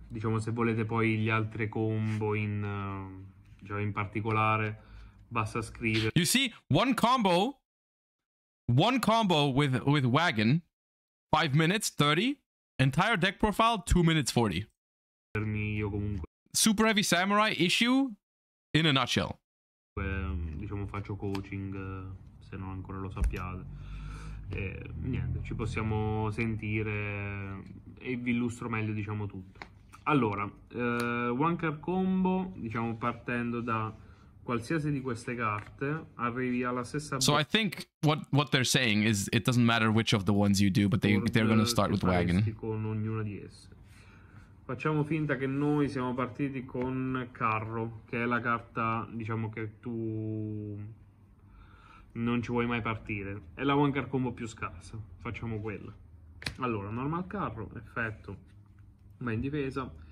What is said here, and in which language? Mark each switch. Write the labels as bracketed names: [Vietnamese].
[Italian] Diciamo se volete poi gli altri combo in cioè in particolare basta scrivere. [English] You see one combo with wagon 5 minutes 30 entire deck profile 2 minutes 40. [Italian] Io comunque. [English] Super heavy samurai issue in a nutshell. [Italian] Diciamo faccio coaching se non ancora lo sappiate e, niente ci possiamo sentire e vi illustro meglio diciamo tutto allora one card combo diciamo partendo da qualsiasi di queste carte arrivi alla stessa [English] so I think what they're saying is it doesn't matter which of the ones you do but they're gonna start with wagon [Italian] con ognuna di esse. Facciamo finta che noi siamo partiti con carro, che è la carta, diciamo, che tu non ci vuoi mai partire. È la one card combo più scarsa. Facciamo quella. Allora, normal carro, effetto, va in difesa.